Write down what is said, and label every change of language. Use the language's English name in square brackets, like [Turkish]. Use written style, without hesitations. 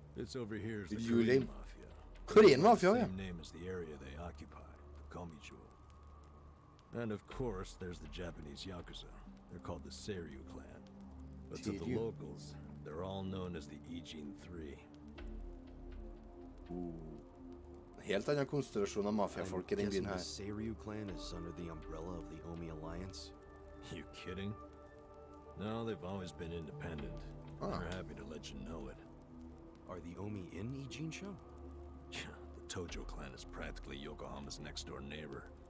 [English] It's over here is the Korean mafia. Korean mafia, yeah. The same name as the area they occupy, the Komijo. And of course, there's the Japanese Yakuza. They're called the Seiryu clan. But to the locals, they're all known as the Yijin Three. [Swedish] Helt annan konstellation av mafiafolk i den byn här. [English] The Seiryu clan is under the umbrella of the Omi Alliance. You kidding? No, they've always been independent. We're happy to let you know it. Are the Omi in Ijinsho? Yeah, the Tojo clan is practically Yokohama's next door neighbor.